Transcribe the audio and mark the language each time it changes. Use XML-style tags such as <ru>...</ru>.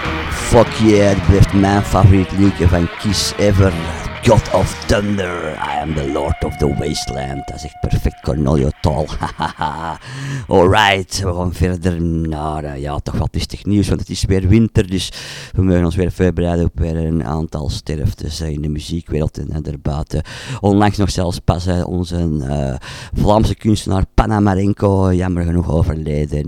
<nl>Fuck Yeah, dat blijft mijn favoriet liedje van Kiss ever.</nl> <en>God of Thunder, I am the Lord of the Wasteland.</en> <nl>Dat is echt perfect Cornelio taal. Alright, we gaan verder naar, ja, toch wat lustig nieuws, want het is weer winter, dus we mogen ons weer voorbereiden op weer een aantal sterftes in de muziekwereld en daarbuiten. Onlangs nog zelfs pas onze Vlaamse kunstenaar Panamarenko, jammer genoeg overleden.</nl>